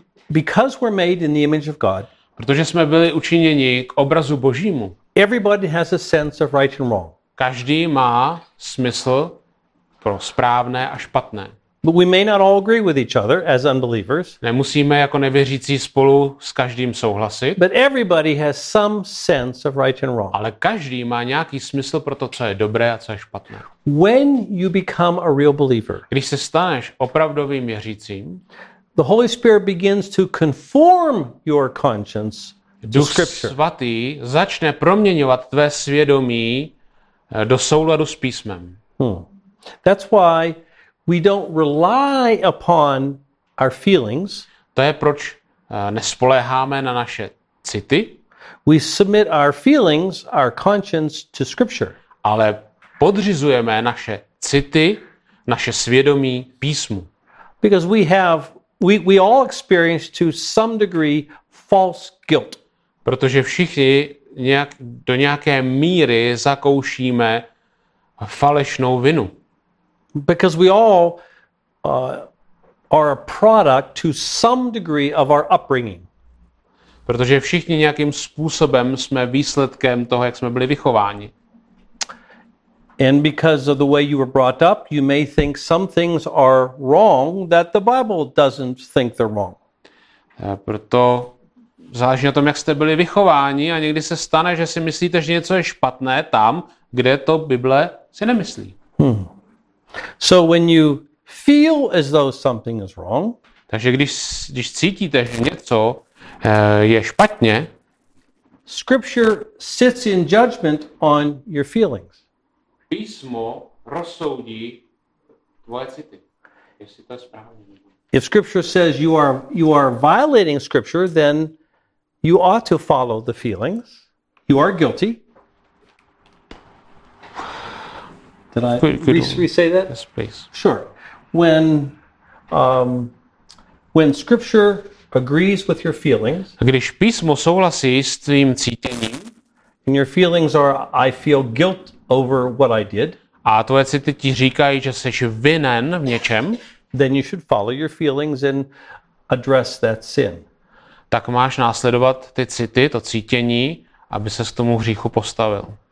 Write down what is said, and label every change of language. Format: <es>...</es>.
<en>Because we're made in the image of God.</en> <cs>Protože jsme byli učiněni k obrazu Božímu.</cs> <en>Everybody has a sense of right and wrong.</en> <cs>Každý má smysl pro správné a špatné.</cs> <en>But we may not all agree with each other as unbelievers.</en> <cs>Nemusíme jako nevěřící spolu s každým souhlasit.</cs> <en>But everybody has some sense of right and wrong.</en> <cs>Ale každý má nějaký smysl pro to, co je dobré a co je špatné.</cs> <en>When you become a real believer.</en> <cs>Když se staneš opravdovým věřícím,</cs> <en>the Holy Spirit begins to conform your conscience to Scripture.</en> <cs>Duch svatý začne proměňovat tvé svědomí do souladu s písmem.</cs> <en>That's why we don't rely upon our feelings.</en> <cs>To je proč nespoléháme na naše city.</cs> <en>We submit our feelings, our conscience to Scripture.</en> <cs>Ale podřizujeme naše city, naše svědomí písmu.</cs> <en>Because we all experience to some degree false guilt.</en> <cs>Protože všichni nějak do nějaké míry zakoušíme falešnou vinu.</cs> <en>Because we all are a product to some degree of our upbringing.</en> <cs>Protože všichni nějakým způsobem jsme výsledkem toho, jak jsme byli vychováni.</cs> <en>And because of the way you were brought up, you may think some things are wrong that the Bible doesn't think they're wrong.</en> <cs>Proto záleží na tom, jak jste byli vychováni a někdy se stane, že si myslíte, že něco je špatné tam, kde to Bible si nemyslí.</cs> <en>So when you feel as though something is wrong,</en> <cs>takže když cítíte, že něco je špatně,</cs> <en>Scripture sits in judgment on your feelings.</en> <cs>Písmo rozsoudí tvoje city, jestli to je správně.</cs> <en>If Scripture says you are violating Scripture, then you ought to follow the feelings. You are guilty. Did I re-say that? Yes, please. Sure. When Scripture agrees with your feelings,</en> <cs>když písmo souhlasí s tvým cítěním,</cs> <en>and your feelings are, I feel guilt over what I did,</en> <cs>a tvoje city ti říkají, že jsi vinen v něčem,</cs> <en>then you should follow your feelings and address that sin.</en> <cs>Tak máš následovat ty city, to cítění, aby ses k tomu hříchu postavil.</cs>